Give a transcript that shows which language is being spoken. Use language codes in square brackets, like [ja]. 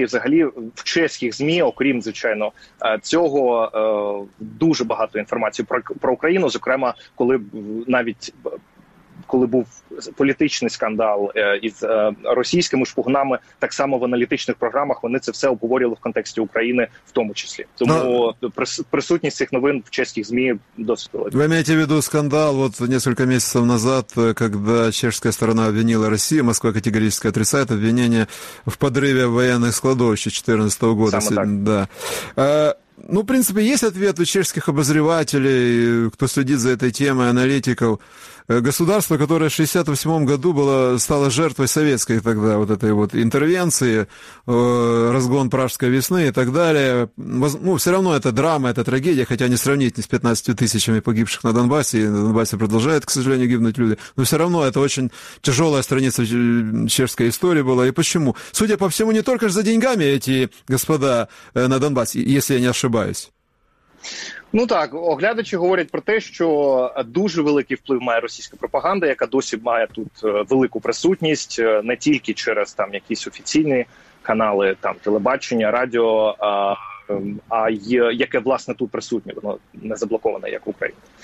[uk] І взагалі в чеських ЗМІ, окрім, звичайно, цього, дуже багато інформації про Україну, зокрема, коли навіть коли був політичний скандал із російськими шпугнами, так само в аналітичних програмах вони це все обговорювали в контексті України в тому числі. Тому присутність цих новин в чеських ЗМІ досить велика. Ви маєте в виду скандал от кілька місяців назад, коли чешська сторона обвинила Росію, Москва категорично отрицает обвинення в подриві воєнних складовищ 2014 року. Саме так. [ru] Да. Ну, в принципе, есть ответ у чешских обозревателей, кто следит за этой темой, аналитиков. Государство, которое в 68-м году стало жертвой советской тогда вот этой вот интервенции, разгон Пражской весны и так далее. Ну, все равно это драма, это трагедия, хотя не сравнить ни с 15 тысячами погибших на Донбассе, и на Донбассе продолжают, к сожалению, гибнуть люди. Но все равно это очень тяжелая страница чешской истории была. И почему? Судя по всему, не только же за деньгами эти господа на Донбассе, если я не ошибаюсь. [uk] Ну так, оглядачі говорять про те, що дуже великий вплив має російська пропаганда, яка досі має тут велику присутність, не тільки через там якісь офіційні канали, там телебачення, радіо, а яке власне тут присутнє, воно не заблоковане, як в Україні.